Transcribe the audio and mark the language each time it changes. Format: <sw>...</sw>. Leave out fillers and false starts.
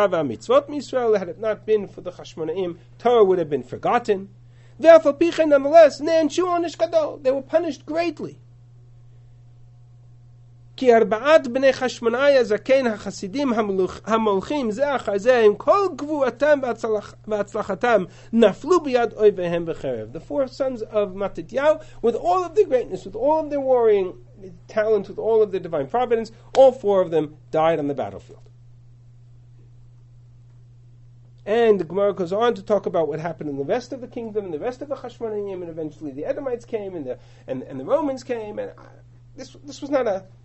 <en>Had it not been for the Chashmonaim, Torah would have been forgotten. Nonetheless, they were punished greatly.</en> <he>כי ארבעת בני חשמונאי הזקן החסידים המולכים זה אחר זה עם כל גבורתם והצלחתם נפלו ביד אויביהם בחרב.</he> <en>The four sons of Matityahu, with all of their greatness, with all of their warring talents, with all of their divine providence, all four of them died on the battlefield. And the Gemara goes on to talk about what happened in the rest of the kingdom, and the rest of the Chashmonaim, and eventually the Edomites came, and the Romans came, and this was not a...</en>